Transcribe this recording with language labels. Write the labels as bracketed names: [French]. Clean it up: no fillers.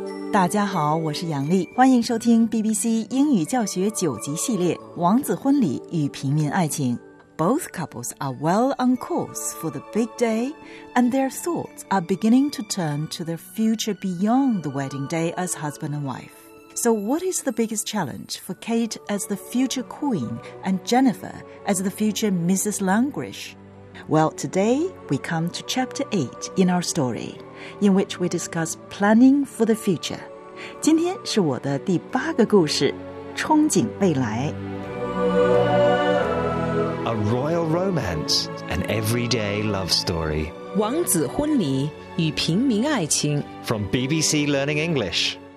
[Chinese] 大家好，我是杨丽，欢迎收听 BBC 英语教学九级系列《王子婚礼与平民爱情》。 [English] Both couples are well on course for the big day, and their thoughts are beginning to turn to their future beyond the wedding day as husband and wife. So what is the biggest challenge for Kate as the future queen and Jennifer as the future Mrs. Langrish? Well, today we come to chapter 8 in our story, in which we discuss planning for the future. [Chinese] 今天是我的第八个故事，憧憬未来。 [English] A royal romance, an everyday love story. [Chinese] 王子婚礼与平民爱情。 [English] From BBC Learning English.